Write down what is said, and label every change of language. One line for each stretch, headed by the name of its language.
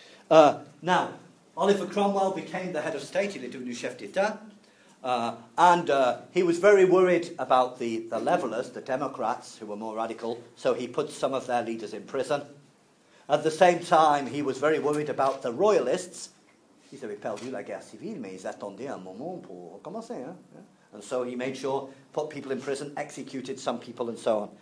English: Now, Oliver Cromwell became the head of state,
French: il est devenu chef d'état,
English: and he was very worried about the levelers, the democrats, who were more radical, so he put some of their leaders in prison. At the same time, he was very worried about the royalists.
French: Ils avaient perdu la guerre civile, mais ils attendaient un moment pour commencer. Hein? Yeah.
English: And so he made sure, put people in prison, executed some people and so on.